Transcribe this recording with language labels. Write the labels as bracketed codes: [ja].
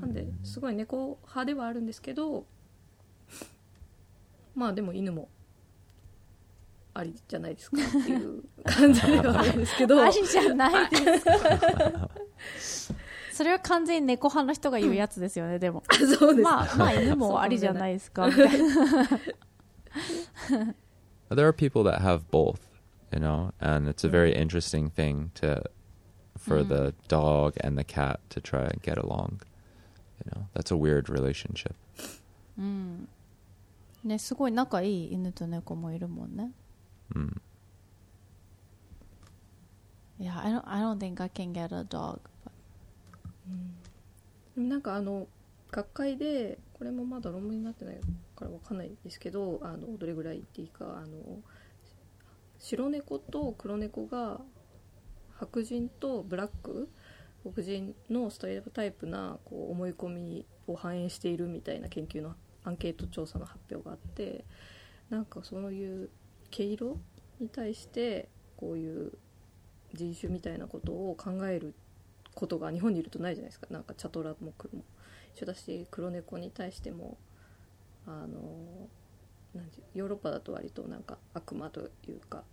[ja] なんですごい猫派ではあるんですけど、まあでも犬もありじゃないですかっていう感じではあるんですけど、ありじゃないですか。それは完全に猫派の人が言うやつですよね。でも、そうです、まあ、まあ犬もありじゃないですか。 [en] There are people that have both, you know, and it's a very interesting thing to for the dog and the cat to try and get along. You know, that's a weird relationship. [ja] ね、すごい仲いい犬と猫もいるもんね。 [en] Yeah, I don't think I can get a dog. [ja] うん、なんかあの学会でこれもまだ論文になってないから分かんないですけど、あのどれぐらいっていいか、あの白猫と黒猫が白人とブラック黒人のストレートタイプなこう思い込みを反映しているみたいな研究のアンケート調査の発表があって、なんかそういう毛色に対してこういう人種みたいなことを考えることが日本にいるとないじゃないですか。なんかチャトラも黒も一緒だし、黒猫に対してもあのなんてヨーロッパだと割となんか悪魔というか、